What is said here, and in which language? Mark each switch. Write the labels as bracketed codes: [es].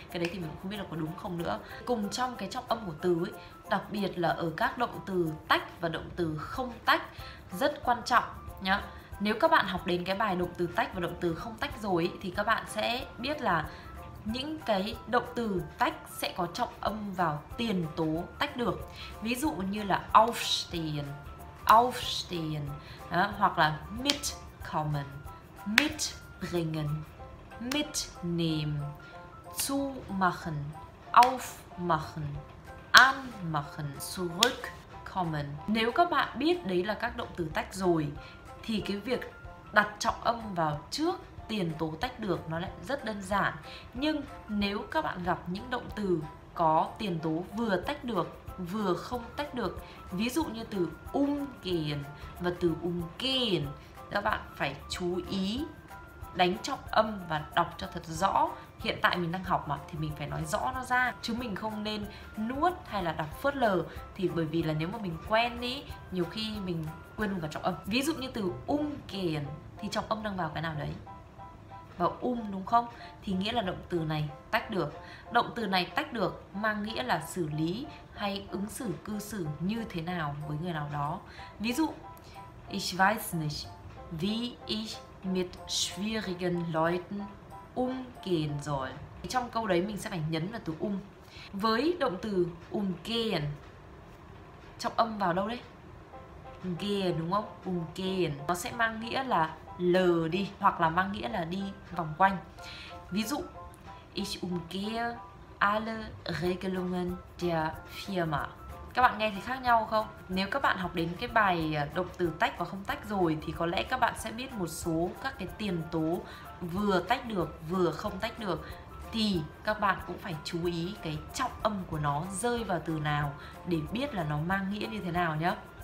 [vi] Cái đấy thì mình cũng không biết là có đúng không nữa. Cùng trong cái trọng âm của từ ấy, đặc biệt là ở các động từ tách và động từ không tách, rất quan trọng nhá. Nếu các bạn học đến cái bài động từ tách và động từ không tách rồi ấy, thì các bạn sẽ biết là những cái động từ tách sẽ có trọng âm vào tiền tố tách được. Ví dụ như là aufstehen, aufstehen. Đó, hoặc là [de] mitkommen, mitbringen, mitnehmen, zumachen, aufmachen, anmachen, zurückkommen. [vi] Nếu các bạn biết đấy là các động từ tách rồi thì cái việc đặt trọng âm vào trước tiền tố tách được nó lại rất đơn giản. Nhưng nếu các bạn gặp những động từ có tiền tố vừa tách được vừa không tách được, ví dụ như từ umgehen và từ umgehen, các bạn phải chú ý đánh trọng âm và đọc cho thật rõ. Hiện tại mình đang học mà, thì mình phải nói rõ nó ra, chứ mình không nên nuốt hay là đọc phớt lờ. Thì bởi vì là nếu mà mình quen ý, nhiều khi mình quên luôn cả trọng âm. Ví dụ như từ umgehen thì trọng âm đang vào cái nào đấy, vào đúng không? Thì nghĩa là động từ này tách được. Động từ này tách được mang nghĩa là xử lý hay ứng xử, cư xử như thế nào với người nào đó. Ví dụ [de] ich weiß nicht wie ich mit schwierigen Leuten umgehen soll. [vi] Trong câu đấy mình sẽ phải nhấn vào từ Với động từ umgehen, trọng âm vào đâu đấy? Gehen đúng không? Umgehen. Nó sẽ mang nghĩa là lờ đi, hoặc là mang nghĩa là đi vòng quanh. Ví dụ [de] ich umgehe alle Regelungen der Firma. [vi] Các bạn nghe thì khác nhau không? Nếu các bạn học đến cái bài động từ tách và không tách rồi thì có lẽ các bạn sẽ biết một số các cái tiền tố vừa tách được vừa không tách được, thì các bạn cũng phải chú ý cái trọng âm của nó rơi vào từ nào để biết là nó mang nghĩa như thế nào nhé.